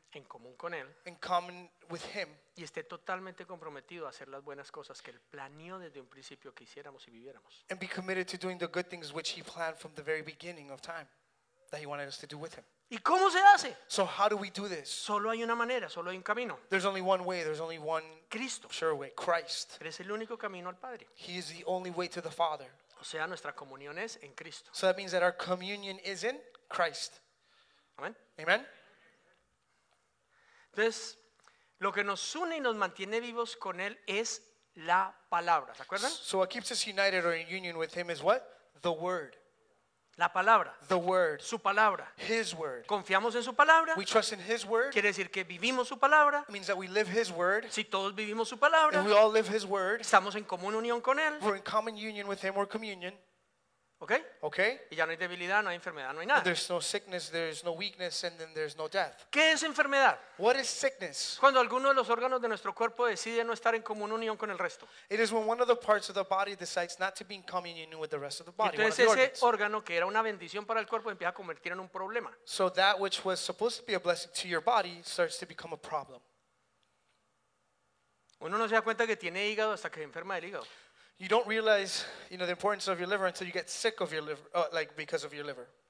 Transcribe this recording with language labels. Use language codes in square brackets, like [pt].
[es] en común con él, [en] in common with him, [es] y esté totalmente comprometido a hacer las buenas cosas que él planeó desde un principio que hiciéramos y viviéramos, [en] and be committed to doing the good things which he planned from the very beginning of time that he wanted us to do with him. [es] ¿Y cómo se hace? [en] So how do we do this? [es] Solo hay una manera, solo hay un camino. [en] There's only one way, there's only one [es] Cristo. [en] Sure way, Christ. [es] Él es el único camino al Padre. [en] He is the only way to the Father. [es] O sea, nuestra comunión es en Cristo. [en] So that means that our communion is in Christ. Amen. Amen. [es] Entonces, lo que nos une y nos mantiene vivos con él es la palabra. ¿Se acuerdan? [en] So what keeps us united or in union with him is what? The word. [es] La palabra. [en] The word. [es] Su palabra. [en] His word. [es] Confiamos en su palabra. [en] We trust in his word. [es] Quiere decir que vivimos su palabra. [en] It means that we live his word. [es] Si todos vivimos su palabra. [en] And we all live his word. [es] Estamos en común unión con él. [en] We're in common union with him, or communion. Okay? Okay? [es] Y ya no hay debilidad, no hay enfermedad, no hay nada. [en] There's no sickness, there's no weakness, and then there's no death. [es] ¿Qué es enfermedad? [en] What is sickness? [es] Cuando alguno de los órganos de nuestro cuerpo decide no estar en común unión con el resto. [en] It is when one of the parts of the body decides not to be in common union with the rest of the body. [es] Entonces ese órgano que era una bendición para el cuerpo empieza a convertir en un problema. [en] So that which was supposed to be a blessing to your body starts to become a problem. [es] Uno no se da cuenta que tiene hígado hasta que se enferma del hígado. [en] You don't realize, you know, the importance of your liver until you get sick of your liver, like because of your liver.